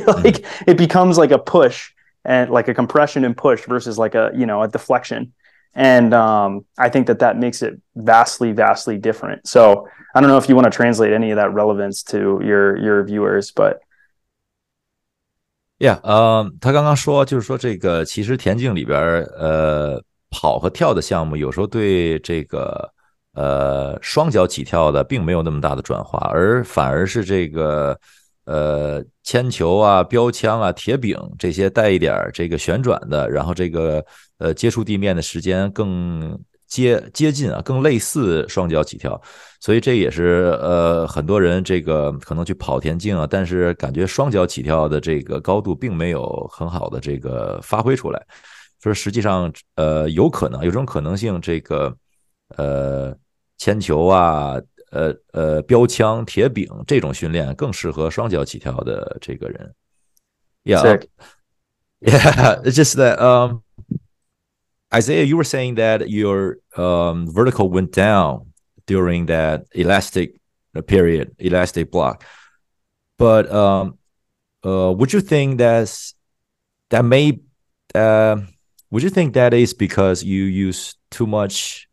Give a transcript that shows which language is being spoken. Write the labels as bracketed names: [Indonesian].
[English] Like it becomes like a push and like a compression and push versus like a, you know, a deflection. And I think that makes it vastly, vastly different. So I don't know if you want to translate any of that relevance to your viewers, but. Yeah. [Chinese] 他刚刚说就是说这个其实田径里边跑和跳的项目有时候对这个双脚起跳的并没有那么大的转化，而反而是这个铅球啊、标枪啊、铁饼这些带一点这个旋转的，然后这个接触地面的时间更接近啊，更类似双脚起跳，所以这也是很多人这个可能去跑田径啊，但是感觉双脚起跳的这个高度并没有很好的这个发挥出来，所以实际上有可能有种可能性这个。铅球啊，标枪、铁饼这种训练更适合双脚起跳的这个人。 [English] Just that, Isaiah, you were saying that your vertical went down during that elastic period, elastic block. But would you think that is because you use too much?